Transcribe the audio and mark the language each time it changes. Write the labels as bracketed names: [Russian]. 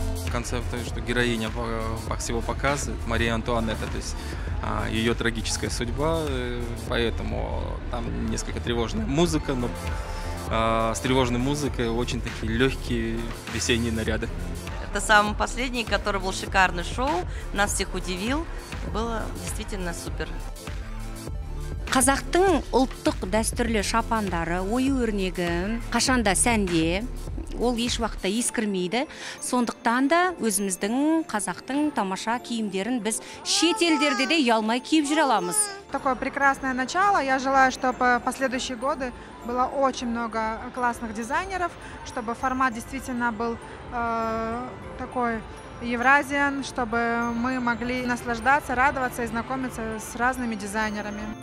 [Russian] Концепция, что героиня всего показывает, Мария Антуанетта, то есть ее трагическая судьба, поэтому там несколько тревожная музыка, но с тревожной музыкой очень такие легкие весенние наряды. Это самый последний, который был шикарный шоу, нас всех удивил, было действительно супер. [Kazakh] Қазақтың ұлттық дәстүрлі шапандары, ою-өрнегі, қашанда сәнде, ол еш уақытта ескірмейді. Сондықтан да өзіміздің қазақтың тамаша киімдерін біз шетелдерде де ұялмай киіп жүре аламыз. [Russian] Такое прекрасное начало. Я желаю, чтобы в последующие годы было очень много классных дизайнеров, чтобы формат действительно был такой евразиан, чтобы мы могли наслаждаться, радоваться и знакомиться с разными дизайнерами.